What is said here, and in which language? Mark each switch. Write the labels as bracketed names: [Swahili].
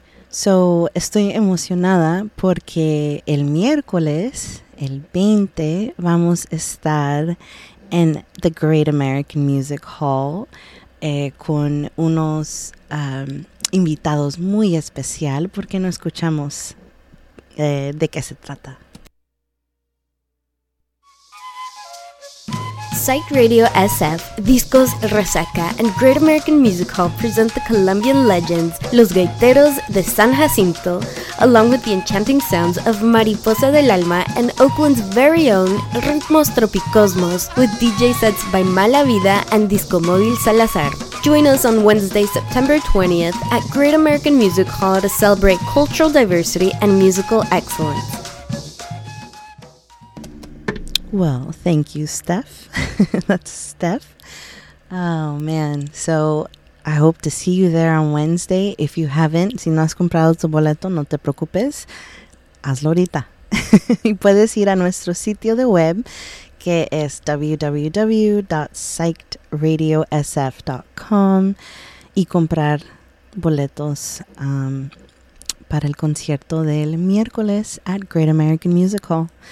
[Spanish] So, estoy emocionada porque el miércoles, el 20, vamos a estar en The Great American Music Hall con unos invitados muy especial. ¿Por qué no escuchamos de qué se trata? [English] Psych Radio SF, Discos Resaca, and Great American Music Hall present the Colombian legends, Los Gaiteros de San Jacinto, along with the enchanting sounds of Mariposa del Alma and Oakland's very own Ritmos Tropicosmos, with DJ sets by Mala Vida and Disco Móvil Salazar. Join us on Wednesday, September 20th at Great American Music Hall to celebrate cultural diversity and musical excellence. Well, thank you, Steph. That's Steph. Oh, man. So, I hope to see you there on Wednesday. If you haven't, [Spanish] si no has comprado tu boleto, no te preocupes. Hazlo ahorita. Y puedes ir a nuestro sitio de web, que es www.psychedradiosf.com, y comprar boletos para el concierto del miércoles at Great American Music Hall.